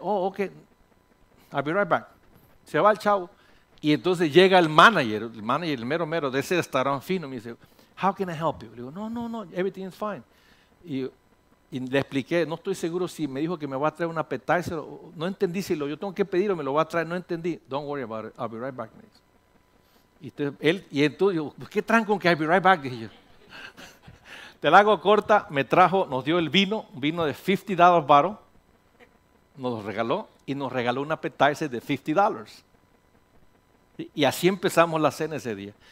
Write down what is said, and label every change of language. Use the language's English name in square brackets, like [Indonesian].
[English] Oh, ok, I'll be right back. [Spanish] Se va el chavo. Y entonces llega el manager, el mero mero, de ese restaurante fino, me dice, [English] how can I help you? [Spanish] Le digo, no, [English] everything is fine. [Spanish] Y le expliqué, no estoy seguro si me dijo que me va a traer un appetizer, no entendí si yo tengo que pedir o me lo va a traer, no entendí. [English] Don't worry about it, I'll be right back, [Spanish] me dice. Y entonces, ¿qué traen con que [English] I'll be right back? [Spanish] Dije yo. Te la hago corta, me trajo, nos dio el vino, vino de $50 baro, nos lo regaló y nos regaló un appetizer de $50. Y así empezamos la cena ese día.